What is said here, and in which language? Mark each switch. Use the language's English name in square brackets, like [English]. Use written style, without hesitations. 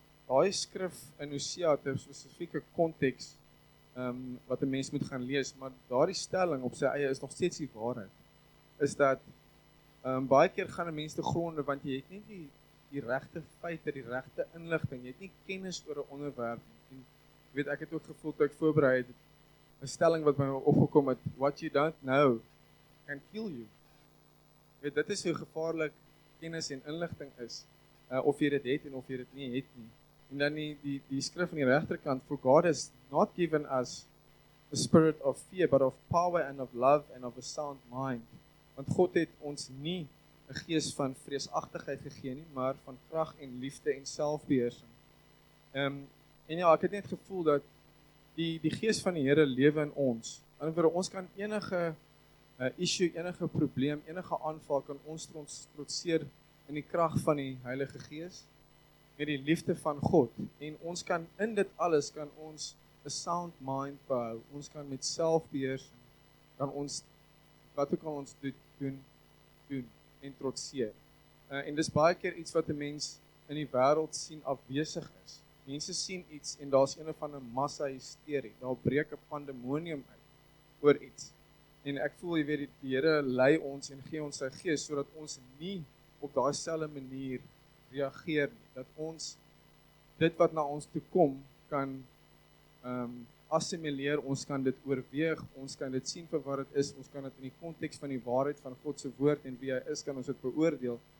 [Afrikaans] Daai skrif in Hosea het 'n spesifieke konteks wat 'n mens moet gaan lees, maar daardie stelling op sy eie is nog steeds die waarheid. Is dat baie keer gaan 'n mens te gronde want jy het nie die regte feite, die regte inligting, jy het nie kennis oor 'n onderwerp nie. Jy weet, ek het ook gevoel toe ek voorberei het, een stelling wat my opgekom het, [English] what you don't know can kill you. [Afrikaans] Weet, dit is hoe gevaarlik kennis en inligting is, of jy dit het en of jy dit nie het nie. En dan die skrif aan die regterkant, [English] for God has not given us a spirit of fear, but of power and of love and of a sound mind. [Afrikaans] Want God het ons nie een gees van vreesachtigheid gegee nie, maar van krag en liefde en selfbeheersing. En ja, ek het net gevoel dat Die gees van die Here lewe in ons. Anders ons kan enige issue, enige probleem, enige aanval kan ons trotseer in die krag van die Heilige Gees met die liefde van God. En ons kan in dit alles kan ons 'n sound mind behou. Ons kan met selfbeheersing kan ons wat ook al ons doen en trotseer. En dis baie keer iets wat 'n mens in die wêreld sien afwesig is. Mense sien iets en daar is een van een massa hysterie. Daar breek een pandemonium uit oor iets. En ek voel, jy weet, die Here lei ons en gee ons sy gees, sodat ons nie op daai selfde manier reageer nie. Dat ons dit wat na ons toe kom, kan assimileer, ons kan dit oorweeg, ons kan dit sien vir wat het is, ons kan dit in die context van die waarheid van God se woord en wie hy is, kan ons dit beoordeel.